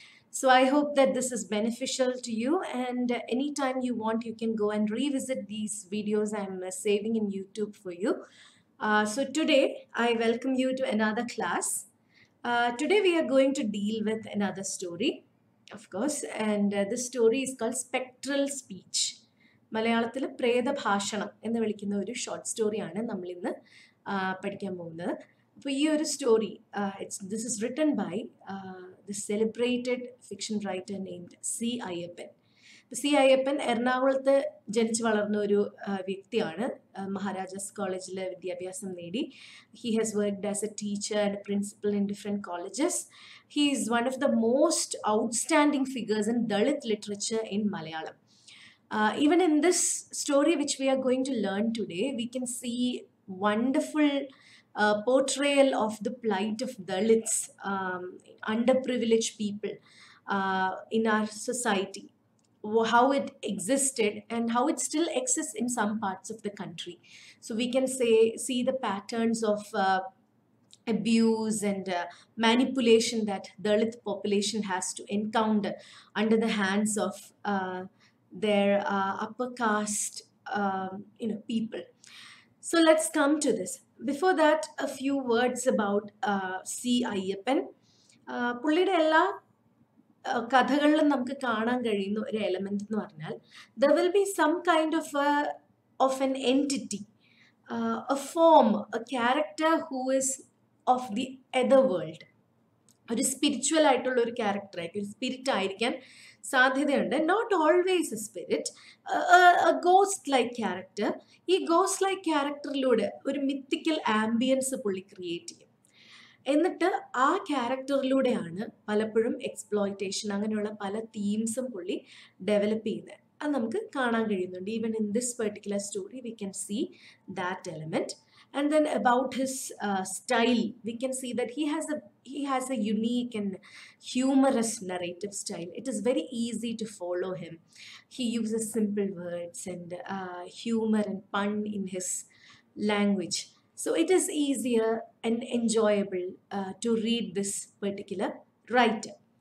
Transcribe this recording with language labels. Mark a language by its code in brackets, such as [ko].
[en] So I hope that this is beneficial to you, and anytime you want, you can go and revisit these videos I'm saving in YouTube for you. So today I welcome you to another class. Today we are going to deal with another story, of course, and this story is called Spectral Speech. [ml] മലയാളത്തിലെ പ്രേതഭാഷണം എന്ന് വിളിക്കുന്ന ഒരു short സ്റ്റോറിയാണ് നമ്മൾ ഇന്ന് പഠിക്കാൻ പോകുന്നത്. അപ്പോൾ ഈ ഒരു story [en] This is written by the celebrated fiction writer named C Ayyappan. [ml] ഇപ്പോൾ സി അയ്യപ്പൻ എറണാകുളത്ത് ജനിച്ചു വളർന്ന ഒരു വ്യക്തിയാണ്. മഹാരാജാസ് കോളേജിൽ വിദ്യാഭ്യാസം നേടി. [en] He has worked as a teacher and principal in different colleges. He is one of the most outstanding figures in Dalit literature in Malayalam. Even in this story which we are going to learn today, we can see wonderful portrayal of the plight of Dalits, underprivileged people in our society, how it existed and how it still exists in some parts of the country. So we can see the patterns of abuse and manipulation that Dalit population has to encounter under the hands of their upper caste people. So let's come to this. Before that, a few words about C. Ayyappan. [ml] പുള്ളിയുടെ എല്ലാ കഥകളിലും നമുക്ക് കാണാൻ കഴിയുന്ന ഒരു element എന്ന് പറഞ്ഞാൽ, [en] There will be some kind of an entity, a form, a character who is of the other world. [ml] ഒരു spiritual ആയിട്ടുള്ള ഒരു ക്യാരക്ടറായിരിക്കും, ഒരു സ്പിരിറ്റ് ആയിരിക്കാൻ സാധ്യതയുണ്ട്. [en] Not always a spirit, a ghost like character. [ml] ഈ ഗോസ്റ്റ് ലൈക്ക് ക്യാരക്ടറിലൂടെ ഒരു മിത്തിക്കൽ ആംബിയൻസ് പുള്ളി create ചെയ്യും. എന്നിട്ട് ആ ക്യാരക്ടറിലൂടെയാണ് പലപ്പോഴും എക്സ്പ്ലോയിറ്റേഷൻ അങ്ങനെയുള്ള പല തീംസും പുള്ളി ഡെവലപ്പ് ചെയ്യുന്നത്. അത് നമുക്ക് കാണാൻ കഴിയുന്നുണ്ട്. [en] Even in this particular story we can see that element. And then about his style, we can see that he has a unique and humorous narrative style. It is very easy to follow him. He uses simple words and humor and pun in his language, so it is easier and enjoyable to read this particular writer.